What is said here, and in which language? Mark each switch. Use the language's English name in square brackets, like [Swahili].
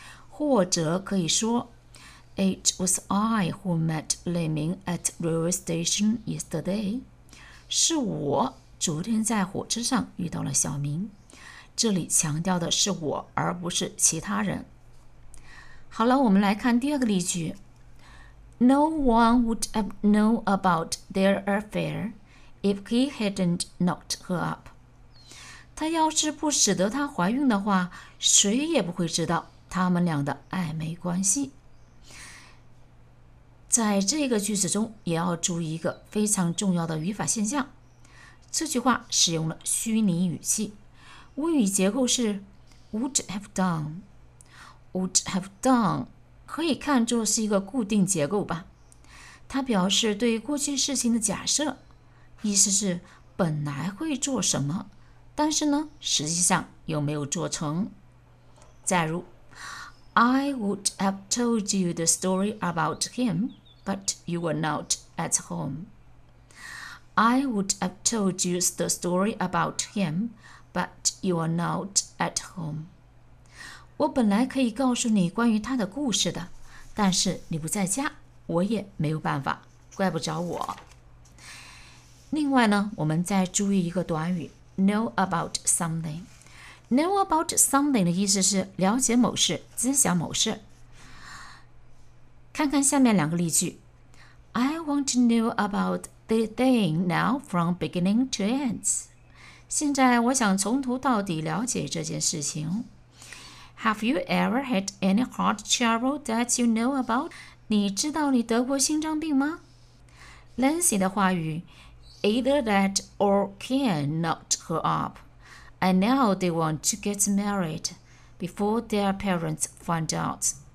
[Chinese] 或者可以说， [English] It was I who met Li Ming at railway station yesterday。 [Chinese] 是我昨天在火车上遇到了小明。这里强调的是我，而不是其他人。好了，我们来看第二个例句。 [English] No one would have known about their affair if he hadn't knocked her up. [Chinese] 他要是不使得她怀孕的话，谁也不会知道他们俩的暧昧关系。在这个句子中，也要注意一个非常重要的语法现象。这句话使用了虚拟语气，谓语结构是 would have done。 would have done 可以看作是一个固定结构吧。它表示对过去事情的假设，意思是本来会做什么，但是呢，实际上又没有做成。假如 [English] "I would have told you the story about him, but you were not at home." "I would have told you the story about him, but you were not at home." [Chinese] 我本来可以告诉你关于他的故事的，但是你不在家，我也没有办法。怪不着我。另外呢，我们再注意一个短语 "know about something"。 "know about something" 的意思是了解某事、知晓某事。看看下面两个例句： [English] I want to know about the thing now from beginning to end。 [Chinese] 现在我想从头到底了解这件事情。 [English] Have you ever had any heart trouble that you know about？ [Chinese] 你知道你得过心脏病吗？ [English] Lancy 的话语 "Either that or Ken knocked her up, and now they want to get married before their parents find out."